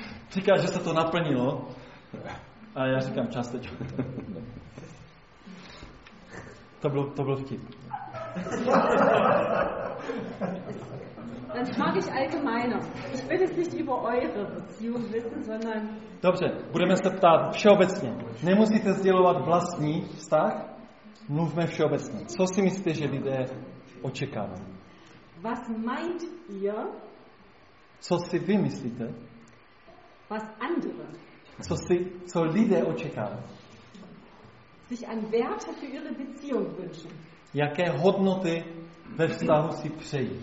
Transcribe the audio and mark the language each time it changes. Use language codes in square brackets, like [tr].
[cs] Říká, že se to naplnilo. A já říkám částečně. To byl vtip. [de] Dann frage ich allgemeiner. Ich will es nicht über eure Beziehung wissen, sondern... [cs] Dobře, budeme se ptát všeobecně. Nemusíte sdělovat vlastní vztah, mluvme všeobecně. Co si myslíte, že lidé očekávají? [de] Was meint ihr? [cs] Co si vy myslíte? [de] Was andere? [cs] Co lidé očekávají? [de] Sich an Werte für ihre Beziehung wünschen. [cs] Jaké hodnoty ve vztahu si přejí?